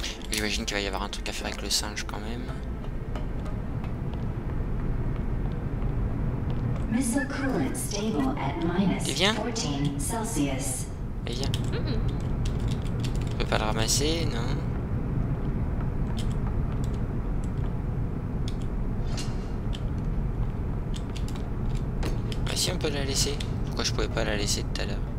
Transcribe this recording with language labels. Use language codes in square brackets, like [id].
[fr] J'imagine qu'il va y avoir un truc à faire avec le singe quand même. [en] Missile coolant stable at -14°C. [fr] Et viens. Je peux pas le ramasser, non. Ah si, on peut la laisser. Pourquoi je pouvais pas la laisser tout à l'heure?